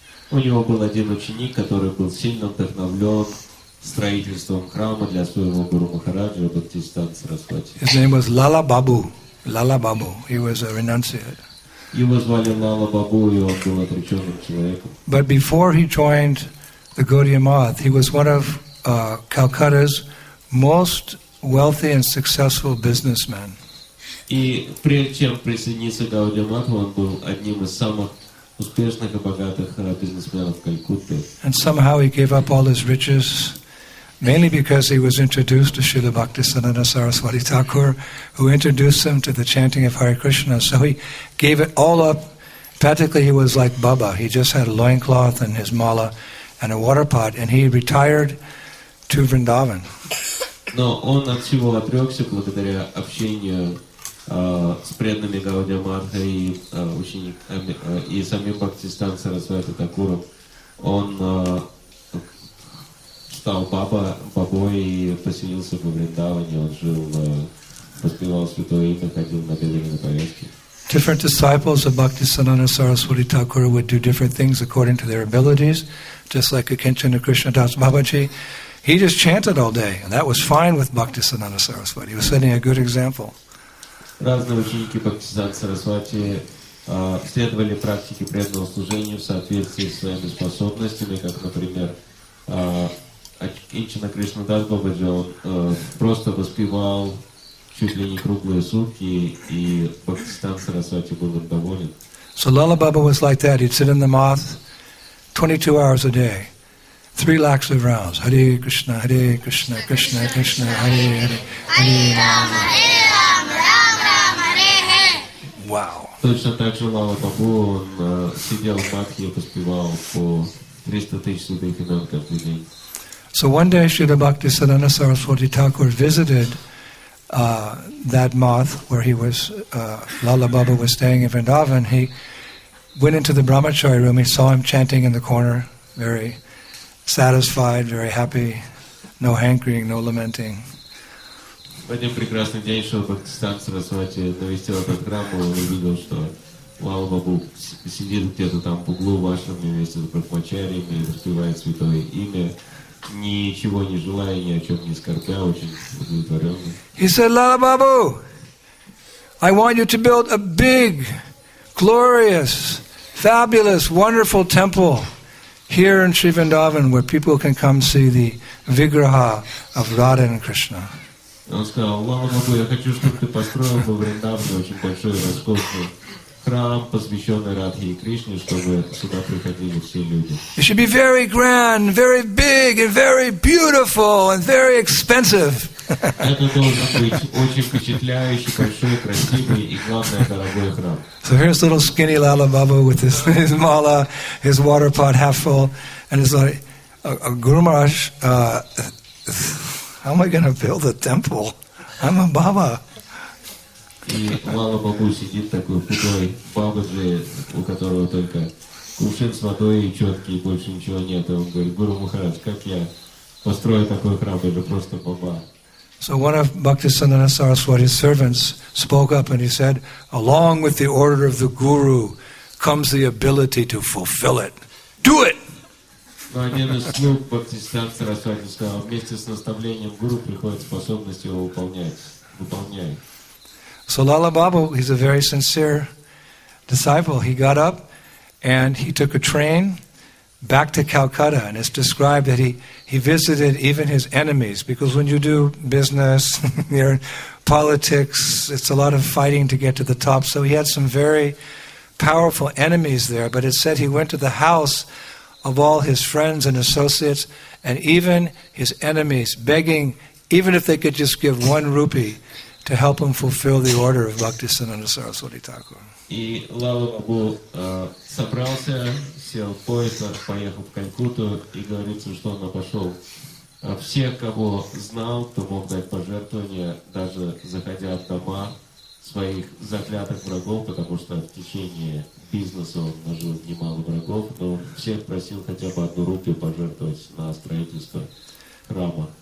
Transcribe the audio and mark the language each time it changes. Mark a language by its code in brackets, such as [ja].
[ru] У него был один ученик, который был сильно вдохновлен строительством храма для своего Гуру Махараджа, Бхакти Сиддханта Сарасвати. [en] His name was Lala Babu. Lala Babu. He was a renunciate. [ru] Его звали Лала Бабу, и он был отреченным человеком. [en] But before he joined the Gaudiya Math, he was one of Calcutta's most wealthy and successful businessmen. [ru] И прежде чем присоединиться к Гаудия Матху, он был одним из самых успешных и богатых бизнесменов Калькутты. [en] And somehow he gave up all his riches, mainly because he was introduced to Srila Bhaktisiddhanta Saraswati Thakur, who introduced him to the chanting of Hare Krishna. So he gave it all up. Practically he was like Baba. He just had a loincloth and his mala and a water pot, and he retired to Vrindavan. [ru] Но он от всего отрекся благодаря общению с преданными Гаудия Матха и учениками и самим Бхактисиддханта Сарасвати Такуром. Он стал баба, бабой и поселился во Вриндаване, он жил, воспевал святое имя, ходил на белые повязки. [en] Different disciples of Bhaktisananda Saraswati Thakura would do different things according to their abilities, just like Akinchana Krishna Das Babaji. He just chanted all day, and that was fine with Bhaktisananda Saraswati. He was setting a good example. [ru] Разные ученики Бхактисананда Сарасвати следовали практике преданного служения в соответствии со своими способностями, как, например, Акинчана Кришна Дас Бабаджи, он просто воспевал чуть ли не круглые сутки, и Бхактисананда Сарасвати был им доволен. [en] So Lala Baba was like that. He'd sit in the moth 22 hours a day, 3 lakhs of rounds. Hare Krishna, Hare Krishna, Krishna Krishna, Hare Hare, Hare Rama. Wow. [ru] Точно так же Лала Бабу, он сидел в матхе и поспевал по 300 тысяч святых имен каждый день. [en] So one day Śrīla Bhaktisananda Saraswati Thakur visited that moth where he was, Lala Baba was staying in Vrindavan. He went into the brahmachari room, he saw him chanting in the corner, very satisfied, very happy, no hankering, no lamenting. [ru] В один прекрасный день шел Бхактисиданта Сарасвати, навестил этот храм, он увидел, что Лала Бабу сидит где-то там в углу вашем вместе с брахмачарьями, распевает святое имя, ничего не желая, ни о чем не скорбя, очень удовлетворенный. [en] He said, Lala Babu, I want you to build a big, glorious, fabulous, wonderful temple here in Sri Vrindavan, where people can come see the Vigraha of Radha and Krishna. [ru] Он сказал, Лала Бабу, я хочу, чтобы ты построил во Вриндаване очень большой, роскошный храм, посвященный Радхе и Кришне, чтобы сюда приходили все люди. [en] It should be very grand, very big, and very beautiful, and very expensive. [ru] Это должен быть очень впечатляющий, большой, красивый и, главное, дорогой храм. [en] So here's little skinny Lala Babu with his mala, his water pot half full, and it's like a Guru Maharaj, how am I going to build a temple? I'm a Baba. [ru] И Лала Бабу сидит такой худой Бабаджи, у которого только кувшин с водой и четкий, больше ничего нет. Он говорит, Гуру Махарадж, как я построю такой храм? Я же просто Баба. [en] So one of Bhaktisananda Saraswati's servants spoke up and he said, along with the order of the Guru comes the ability to fulfill it. Do it! [ru] Но один из слуг Бхактисиданта Сарасвати сказал, вместе с наставлением Гуру приходит способность его выполнять. Выполняй. [en] So Lala Babu, he's a very sincere disciple. He got up and he took a train back to Calcutta, and it's described that he visited even his enemies, because when you do business, you're in politics, it's a lot of fighting to get to the top. So he had some very powerful enemies there, but it said he went to the house of all his friends and associates and even his enemies, begging, even if they could just give 1 rupee, to help him fulfill the order of Bhaktisananda Saraswati Thakur. [ru] И Лала Бабу собрался, сел в поезд, поехал в Калькутту, и говорится, что он обошел всех, кого знал, кто мог дать пожертвования, даже заходя в дома своих заклятых врагов, потому что в течение бизнеса он нажил немало врагов, но всех просил хотя бы 1 рупию пожертвовать на строительство храма.